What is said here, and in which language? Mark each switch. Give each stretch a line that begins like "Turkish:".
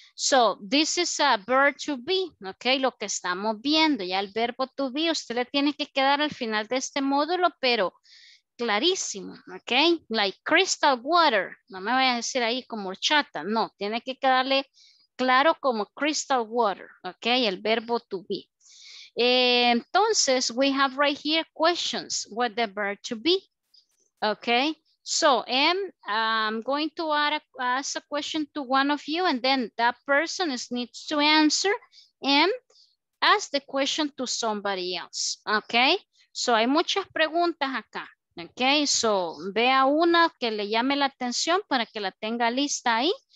English: So, this is a verb to be,
Spanish: ¿ok? Lo que estamos viendo, ya el verbo to be, usted le tiene que quedar al final de este módulo, pero clarísimo, ¿ok?
English: Like crystal water,
Spanish: no me vayas a decir ahí como horchata, no, tiene que quedarle claro como
English: crystal water,
Spanish: ¿ok? El verbo to be.
English: Entonces, we have right here questions with the verb to be. Okay, so I'm going to ask a question to one of you, and then that person needs to answer and ask the question to somebody else. Okay, so
Spanish: hay muchas preguntas acá.
English: Okay, so
Spanish: vea una que le llame la atención para que la tenga lista ahí.